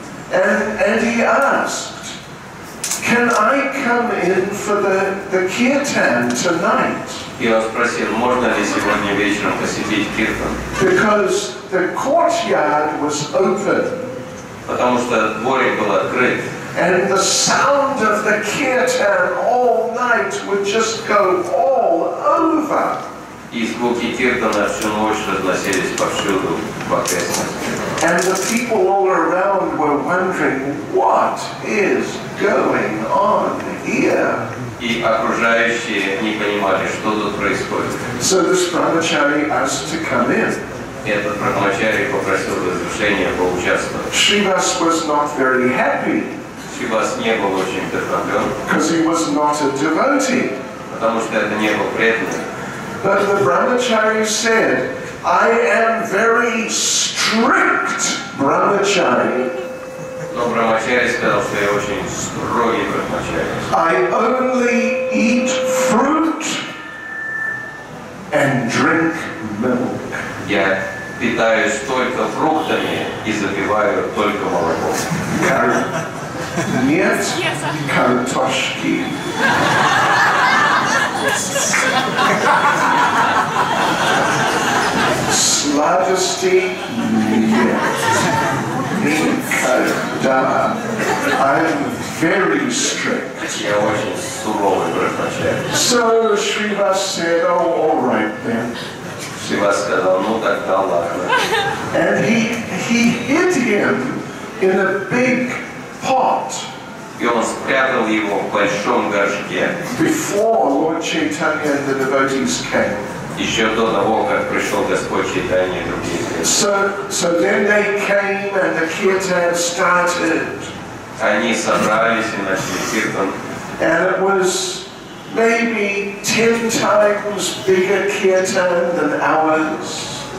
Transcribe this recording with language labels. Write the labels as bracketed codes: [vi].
[en] And he asked, can I come in for the kirtan tonight? [ru] И он спросил, можно ли сегодня вечером посетить киртан? [en] Because the courtyard was open. [ru] Потому что дворик был открыт. [en] And the sound of the kirtan all night would just go all over. [ru] И звуки киртана всю ночь разносились повсюду в окрестностях. [en] And the people all around were wondering, what is going on here? [ru] И окружающие не понимали, что тут происходит. [en] So this brahmachari asked to come in. [ru] Этот брахмачари попросил разрешения поучаствовать. [en] Шривас was not very happy. [ru] Шривас не был очень вдохновлен. [en] Because he was not a devotee. [ru] Потому что это не был преданный. [en] But the brahmachari said, I am very strict brahmachari. [ru] Но брахмачари сказал, что я очень строгий брахмачари. [en] I only eat fruit and drink milk. [ru] Питаюсь только фруктами и запиваю только молоком. Нет, картошки. Сладости нет. Никогда. [en] I'm very strict. [ru] Я очень суровый брахмачари. [en] So Шривас said, oh, all right then. [ru] Шивас сказал, ну тогда ладно. [en] And he hid him in a big pot. [ru] И он спрятал его в большом горшке. [en] Before Lord Chaitanya and the devotees came. [ru] Еще до того, как пришел Господь Чайтанья и другие люди. [en] So then they came and the kirtan started. [ru] Они собрались и начали киртан. [en] And it was maybe 10 times bigger kirtan than ours.